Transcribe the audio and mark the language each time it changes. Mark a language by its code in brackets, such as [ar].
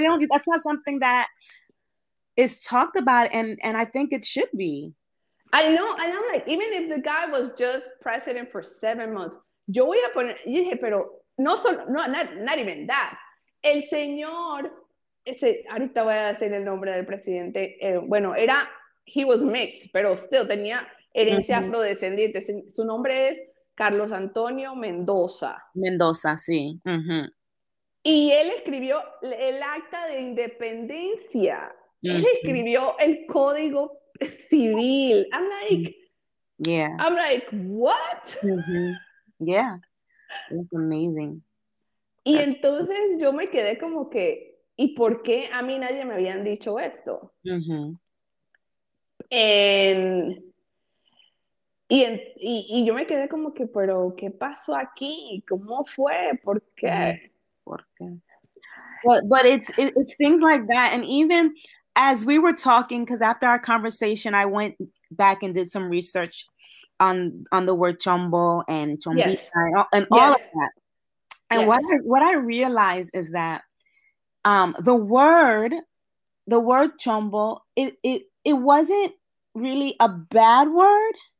[en] That's not something that is talked about, and I think it should be. I know, and I'm like, even if the guy was just president for 7 months, [es] yo voy a poner... Yo dije, pero no solo... [en] No, not even that. [es] El señor... Ese, ahorita voy a decir el nombre del presidente. Bueno, era... [en] He was mixed, [es] pero [en] still [es] tenía... herencia afrodescendiente. Su nombre es Carlos Antonio Mendoza. Mendoza, sí. Uh-huh. Y él escribió el acta de independencia. Uh-huh. Él escribió el código civil. [en] I'm like, yeah. I'm like, what? Uh-huh. Yeah. It's amazing. [es] Y entonces yo me quedé como que, ¿y por qué a mí nadie me habían dicho esto? Uh-huh. Y yo me quedé como que, pero ¿qué pasó aquí? ¿Cómo fue? ¿Por qué? ¿Por qué? [en] But it's things like that. And even as we were talking, because after our conversation, I went back and did some research on the word chombo and chombita of that. And what I realized is that the word chombo, it wasn't really a bad word.